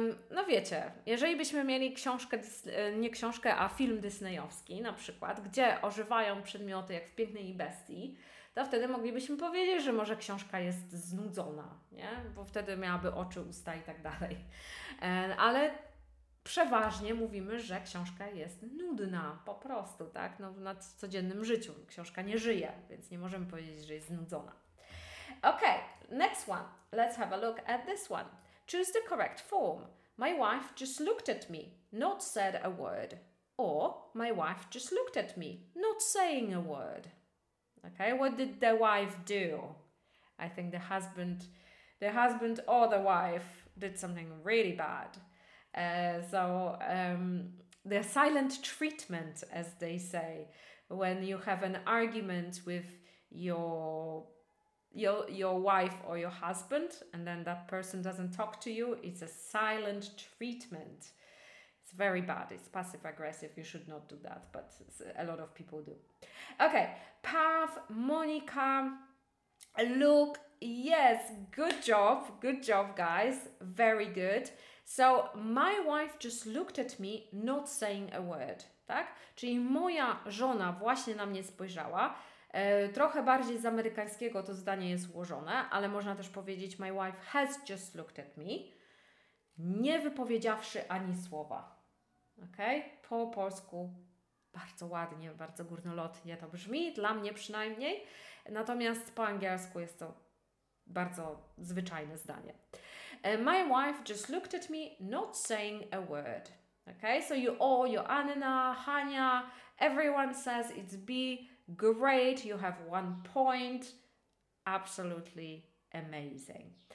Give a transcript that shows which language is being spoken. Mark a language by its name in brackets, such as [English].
[Polish] No wiecie, jeżeli byśmy mieli książkę, nie książkę, a film disneyowski na przykład, gdzie ożywają przedmioty jak w Pięknej i Bestii, to wtedy moglibyśmy powiedzieć, że może książka jest znudzona, nie? Bo wtedy miałaby oczy, usta i tak dalej. Ale przeważnie mówimy, że książka jest nudna, po prostu, tak? No, w codziennym życiu książka nie żyje, więc nie możemy powiedzieć, że jest znudzona. [English] Okay, next one. Let's have a look at this one. Choose the correct form. My wife just looked at me, not said a word. Or my wife just looked at me, not saying a word. Okay, what did the wife do? I think the husband or the wife did something really bad. So the silent treatment, as they say, when you have an argument with your wife or your husband, and then that person doesn't talk to you, it's a silent treatment. It's very bad. It's passive aggressive. You should not do that, but a lot of people do. Okay, Path, Monica, Luke. Yes, good job, guys. Very good. So, my wife just looked at me, not saying a word, tak? [Polish] Czyli moja żona właśnie na mnie spojrzała. Trochę bardziej z amerykańskiego to zdanie jest złożone, ale można też powiedzieć [English] my wife has just looked at me, [Polish] nie wypowiedziawszy ani słowa. Okay? Po polsku bardzo ładnie, bardzo górnolotnie to brzmi, dla mnie przynajmniej. Natomiast po angielsku jest to bardzo zwyczajne zdanie. [English] My wife just looked at me, not saying a word. Okay, so you all, Joanna, Hania, everyone says it's B. Great, you have one point. Absolutely amazing.